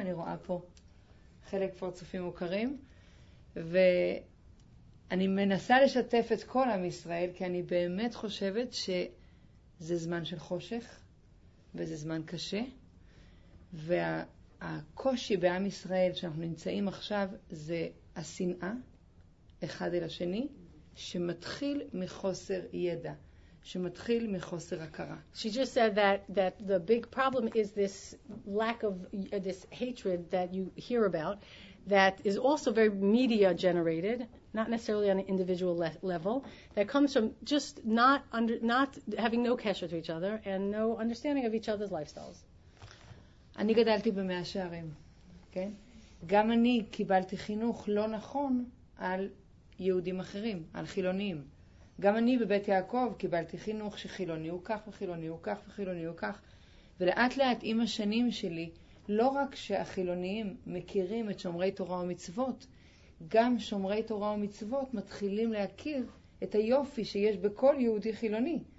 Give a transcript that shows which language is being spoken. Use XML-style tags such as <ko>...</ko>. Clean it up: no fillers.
<he>אני רואה פה חלק פרצופים מוכרים, ואני מנסה לשתף את כל עם ישראל, כי אני באמת חושבת שזה זמן של חושך וזה זמן קשה, והקושי בעם ישראל שאנחנו נמצאים עכשיו זה השנאה אחד אל השני, שמתחיל מחוסר ידע, שמתחיל מחוסר הכרה.</he> <en>She just said that the big problem is this lack of this hatred that you hear about, that is also very media generated, not necessarily on an individual level, that comes from just not having no קשר to each other and no understanding of each other's lifestyles.</en> <he>אני גדלתי במאה שערים, כן? גם אני קיבלתי חינוך לא נכון על יהודים אחרים, על חילונים. גם אני בבית יעקב קיבלתי חינוך שחילוני הוא כך וחילוני הוא כך וחילוני הוא כך. ולאט לאט עם השנים שלי, לא רק שהחילוניים מכירים את שומרי תורה ומצוות, גם שומרי תורה ומצוות מתחילים להכיר את היופי שיש בכל יהודי חילוני.</he>